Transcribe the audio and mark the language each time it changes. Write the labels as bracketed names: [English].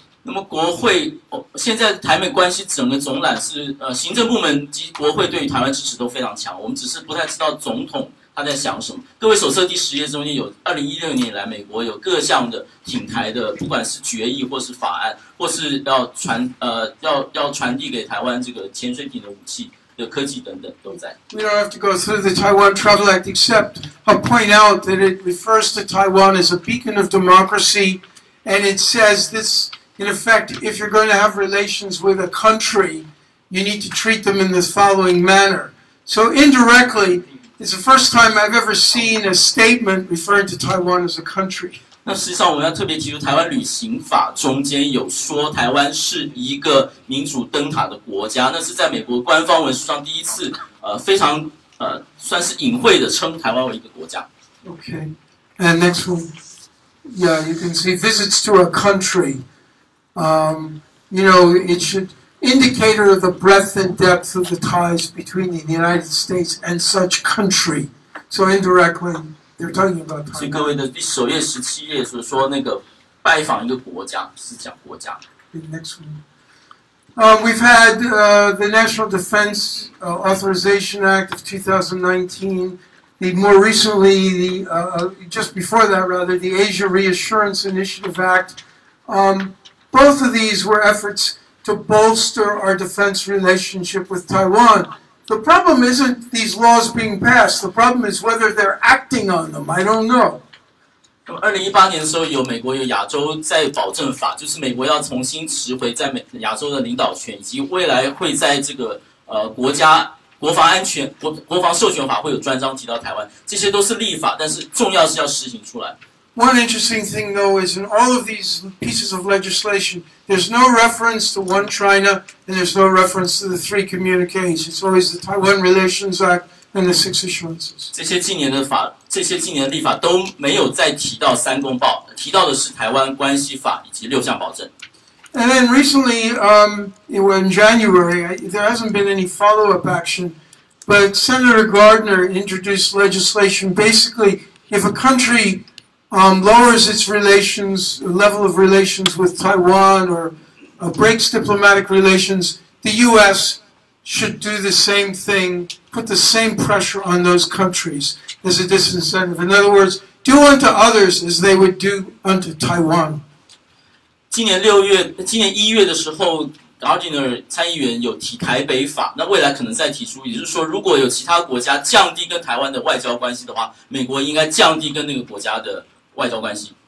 [Chinese] 那么国会，现在台美关系整个总览是，行政部门及国会对于台湾支持都非常强，我们只是不太知道总统他在想什么。各位手册第十页中间有2016年以来美国有各项的挺台的，不管是决议或是法案，或是要传递给台湾这个潜水艇的武器的科技等等都在。 [English] We don't have to go through the Taiwan Travel Act except I'll point out that it refers to Taiwan as a beacon of democracy, and it says this in effect: if you're going to have relations with a country, you need to treat them in the following manner. So indirectly. It's the first time I've ever seen a statement referring to Taiwan as a country. [Chinese] 那实际上我要特别提出，台湾旅行法中间有说台湾是一个民主灯塔的国家，那是在美国官方文书上第一次，非常算是隐晦的称台湾为一个国家。 [English] Okay, and next one, yeah, you can see visits to a country. You know, it should. Indicator of the breadth and depth of the ties between the United States and such country. So indirectly, they're talking about Taiwan. [Chinese] 所以各位的第首页、十七页所说那个拜访一个国家是讲国家。 [English] Next one. We've had the National Defense Authorization Act of 2019. The more recently, just before that, the Asia Reassurance Initiative Act. Both of these were efforts. To bolster our defense relationship with Taiwan. The problem isn't these laws being passed, the problem is whether they're acting on them. I don't know. [Chinese] 2018年的时候有美国有亚洲再保证法，就是美国要重新持回在亚洲的领导权，以及未来会在这个国家国防安全 国防授权法会有专章提到台湾，这些都是立法，但是重要是要实行出来。 [English] One interesting thing, though, is in all of these pieces of legislation, there's no reference to One China, and there's no reference to the three communiques. It's always the Taiwan Relations Act and the six assurances. [Chinese] 这些近年的法这些近年的立法都没有再提到三公报，提到的是台湾关系法以及六项保证。 [English] And then recently, in January, there hasn't been any follow-up action, but Senator Gardner introduced legislation. Basically, if a country lowers its relations, level of relations with Taiwan, or breaks diplomatic relations, the U.S. should do the same thing, put the same pressure on those countries as a disincentive. In other words, do unto others as they would do unto Taiwan. [Chinese] 今年1月的时候 Gardner 参议员有提台北法，那未来可能再提出，也就是说如果有其他国家降低跟台湾的外交关系的话，美国应该降低跟那个国家的外交关系。